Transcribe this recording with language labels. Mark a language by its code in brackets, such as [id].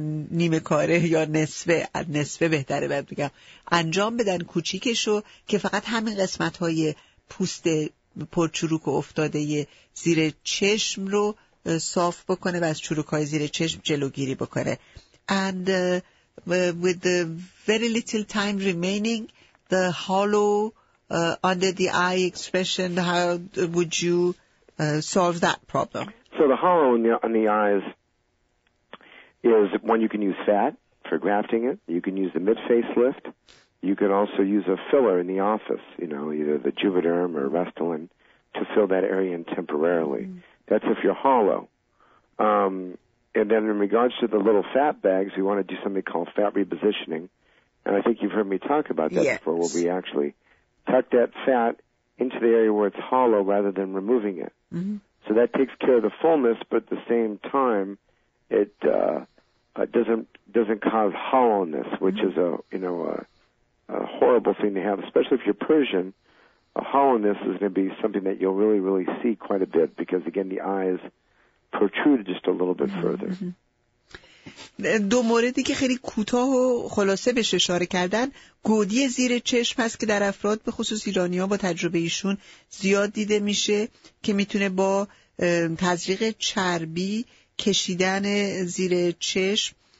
[fa] نیمه کاره یا نصفه بهتره باید بگم انجام بدن کوچیکشو که فقط همین قسمت های پوست پرچروک افتاده زیر چشم رو صاف بکنه و از چروک های زیر چشم جلوگیری بکنه [en] and with the very little time remaining the hollow under the eye expression, how would you solve that problem? So the hollow in the eyes is one you can use fat for grafting it. You can use the mid-facelift. You could also use a filler in the office, you know, either the Juvederm or Restylane to fill that area in temporarily. Mm. That's if you're hollow. And then in regards to the little fat bags, we want to do something called fat repositioning. And I think you've heard me talk about that yes. before, where we actually tuck that fat into the area where it's hollow rather than removing it. Mm-hmm. So that takes care of the fullness, but at the same time, it doesn't cause hollowness, which mm-hmm. is a horrible thing to have, especially if you're Persian. A hollowness is going to be something that you'll really, really see quite a bit because, again, the eyes protrude just a little bit mm-hmm. further. Mm-hmm. [fa] دو موردی که خیلی کوتاه و خلاصه بهش اشاره کردن گودی زیر چشم هست که در افراد به خصوص ایرانی ها با تجربه ایشون زیاد دیده میشه که میتونه با تزریق چربی کشیدن زیر چشم